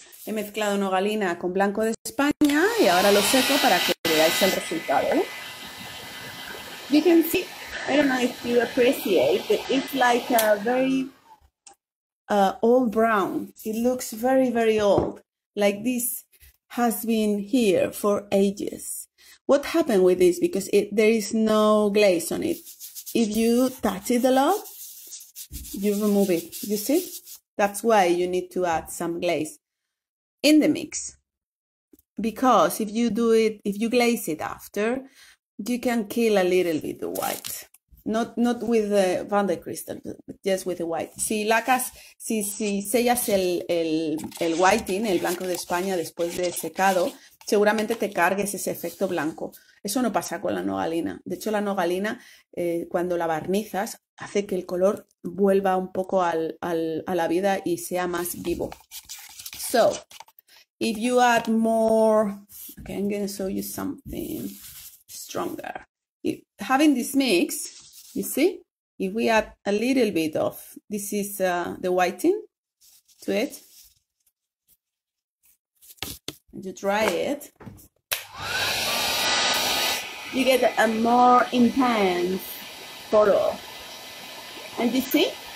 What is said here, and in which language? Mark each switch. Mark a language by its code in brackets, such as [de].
[es] He mezclado nogalina con blanco de España y ahora lo seco para que veáis el resultado. [en] You can see, I don't know if you appreciate, but it's like a very old brown. It looks very, very old. Like this has been here for ages. What happened with this? Because there is no glaze on it. If you touch it a lot, you remove it. You see? That's why you need to add some glaze in the mix. Because if you do it, if you glaze it after, you can kill a little bit the white. Not with the vandyke crystal, but just with the white. [es] Si lacas, si sellas el whiting, el blanco de España, después de secado, seguramente te cargues ese efecto blanco. Eso no pasa con la nogalina. De hecho, la nogalina, cuando la barnizas, hace que el color vuelva un poco a la vida y sea más vivo. [en] So, if you add more, okay, I'm going to show you something stronger. If, having this mix, you see, if we add a little bit of, this is the whiting to it, and you dry it, you get a more intense color. And you see,